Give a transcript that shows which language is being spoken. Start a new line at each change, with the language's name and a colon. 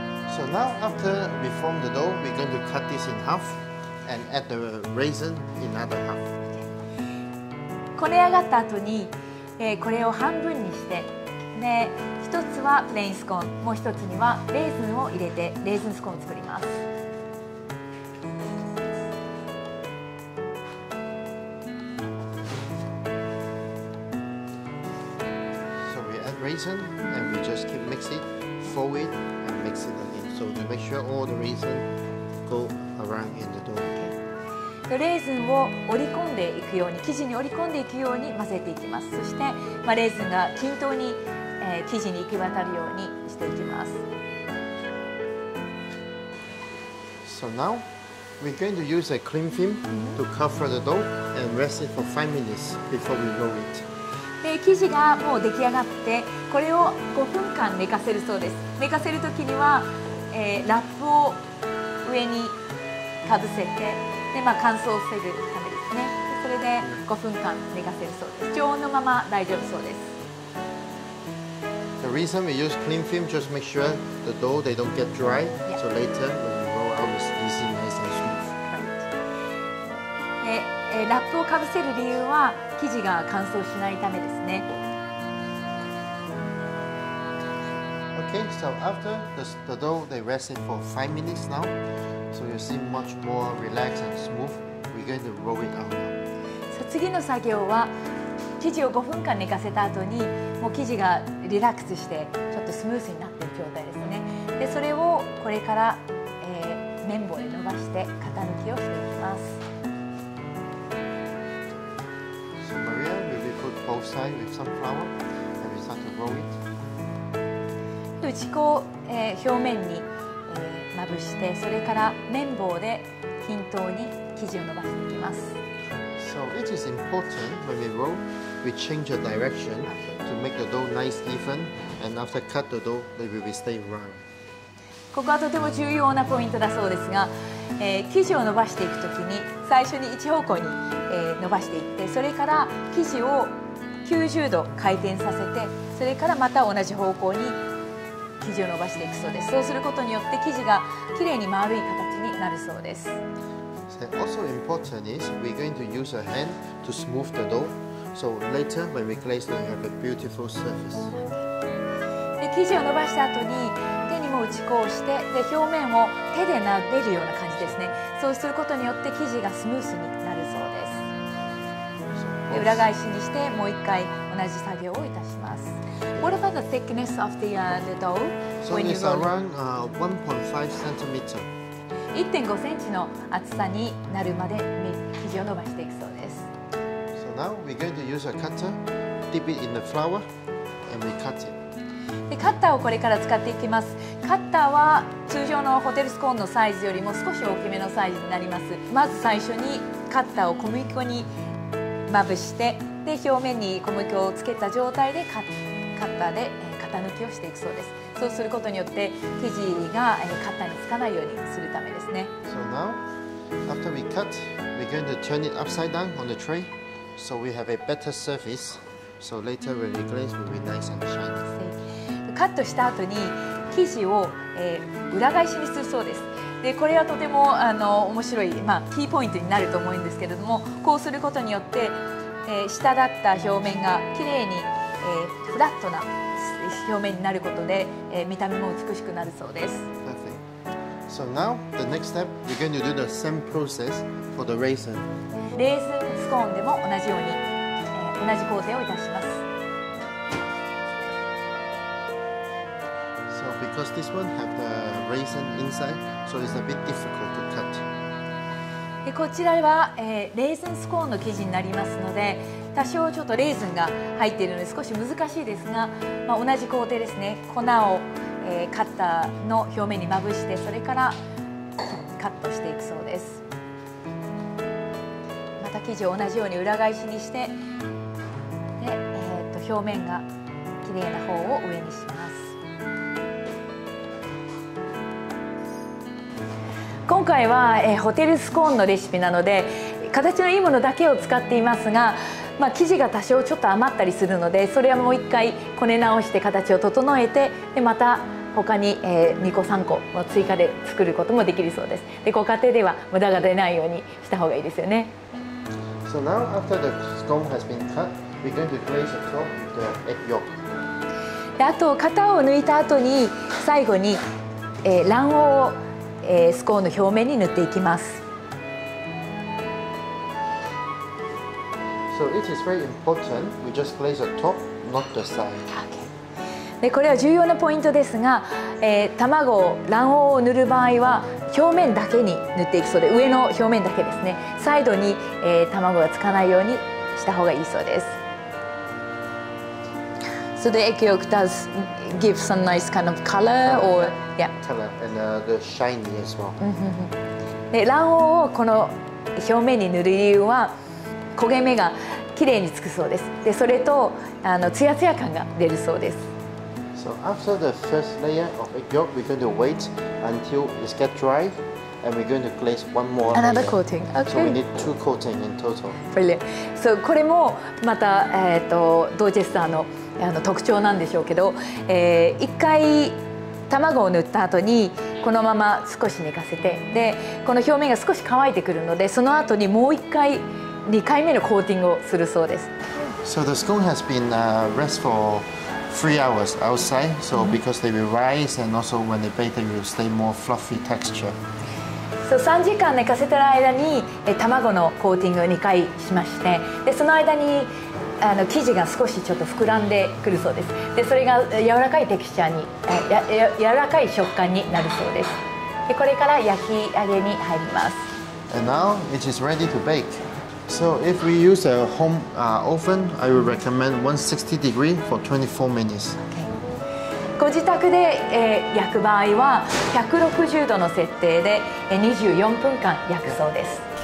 English: So now after we form the dough, we're going to cut this in half. And add the raisin in another half.
Japanese: こね上がった後に、これを半分にして、で、一つはプレインスコーン、もう一つにはレーズンを入れてレーズンスコーンを作ります。
English: So we add raisin and we just keep mix it, fold it and mix it again. So to make sure all the raisin go around in the dough.
Japanese: レーズンを折り込んでいくように生地に折り込んでいくように混ぜていきます。そして、まあ、レーズンが均等に、生地に行き渡るようにしていきます。
English: So now we're going to use a cling film to cover the dough and rest it for 5 minutes before we roll it.
Japanese: 生地がもう出来上がってこれを5分間寝かせるそうです。寝かせる時には、ラップを上にかぶせて。でまあ、乾燥を防ぐためですね。それで5分間寝かせるそうです。常温のまま大丈夫そうです。
English: The reason we use clean film just make sure the dough they don't get dry.、Yeah. So later when you roll out it's easy, nice and smooth.、 Right.
Japanese: ラップをかぶせる理由は生地が乾燥しないためですね。
English: Okay, so after the dough they rest it for 5 minutes now. So you seem much more relaxed and smooth. We're going to roll it out now.
Japanese: So 次の作業は生地を5分間寝かせた後にもう生地がリラックスしてちょっとスムーズになっている状態ですね。でそれをこれから、綿棒で伸ばして型抜きをしていきます。
English: So Maria, we'll put both sides with some flour and we start to roll it.
Japanese: 打ち粉を、表面にまぶして、それから綿棒で均等に生地を伸ばしていきます。
English: So it is important when we roll, we change the direction to make the dough nice even, and after cut the dough, maybe we stay round.
Japanese: ここはとても重要なポイントだそうですが、生地を伸ばしていくときに、最初に一方向に、伸ばしていって、それから生地を90度回転させて、それからまた同じ方向に。生地を伸ばしていくそうです。そうすることによって生地がきれいに丸い形になるそうです。
English: Also important is we're going to use a hand to smooth the dough. So later when we glaze, we have a beautiful surface.
Japanese: 生地を伸ばした後に手にも打ち粉をして、で表面を手で撫でるような感じですね。そうすることによって生地がスムースになるそうです。で裏返しにしてもう一回同じ作業をいたします。
English: What about the thickness of the dough? So it's around 1.5 centimeter.
Japanese: 1.5 センチの厚さになるまで生地を伸ばしていくそうです。
English: So now we're going to use a cutter, dip it in the flour, and we cut it.
Japanese: カッターをこれから使っていきます。カッターは通常のホテルスコーンのサイズよりも少し大きめのサイズになります。まず最初にカッターを小麦粉にまぶして、で表面に小麦粉をつけた状態でカッター。カッターで型抜きをしていくそうです。そうすることによって生地がカッターにつかないようにするためですね。
English: So now, after we cut, we're going to turn it upside down on the tray, so we have a better surface. So later when we glaze, it will be nice and shiny.
Japanese: カットした後に生地を、裏返しにするそうです。でこれはとても面白い、まあ、キーポイントになると思うんですけれども、こうすることによって、下だった表面がきれいに、フラットな表面になることで、見た目も美しくなるそうです。
English: So now, the next step, you're going to do the same process for the raisin.
Japanese: レーズンスコーンでも同じように、同じ工程をいたします。
English: So because this one has the raisin inside, so it's a bit difficult to cut.
Japanese: でこちらは、レーズンスコーンの生地になりますので、多少ちょっとレーズンが入っているので少し難しいですが、まあ、同じ工程ですね。粉をカッターの表面にまぶしてそれからカットしていくそうです。また生地を同じように裏返しにしてで、表面がきれいな方を上にします。今回は、ホテルスコーンのレシピなので形のいいものだけを使っていますが、まあ、生地が多少ちょっと余ったりするのでそれはもう一回こね直して形を整えてでまた他に2個3個を追加で作ることもできるそうです。でご家庭では無駄が出ないようにした方がいいですよね。
English: So now after the scone has been cut, we're going to glaze the top with the egg yolk.
Japanese: であと型を抜いた後に最後に、卵黄を、スコーンの表面に塗っていきます。
English: So it is very important we just glaze the top, not the side.
Japanese: でこれは重要なポイントですが、卵を卵黄を塗る場合は表面だけに塗っていくそうで上の表面だけですね。サイドに、卵がつかないようにした方がいいそうです。
English: So the egg yolk does give some nice kind of color or yeah color and the shiny as well.
Japanese: で卵黄をこの表面に塗る理由は焦げ目がきれいにつくそうです。でそれとツヤツヤ感が出るそうです。
English: So after the first layer of egg yolk, we're going to wait until it gets dry, and we're going to glaze one more layer. Another coating. Okay. So we need two coatings in total. Brilliant.
Japanese: So これもまたドーチェスターの特徴なんでしょうけど、一回卵を塗った後にこのまま少し寝かせて、でこの表面が少し乾いてくるので、その後にもう一回二回目のコーティングをするそうです。
English: So the scone has been rest for3 hours outside, so because they will rise and also when they bake, they will stay more fluffy texture.
Japanese: So 3時間寝かせてる間に卵のコーティングを2回しまして、でその間に生地が少しちょっと膨らんでくるそうです。でそれが柔らかいテクスチャーに、柔らかい食感になるそうです。でこれから焼き上げに入ります。
English: And now it is ready to bake. So if we use a home oven, I would recommend 160 degrees for 24 minutes.
Japanese: Okay. ご自宅で、焼く場合は160度の設定で、24分間焼くそうです。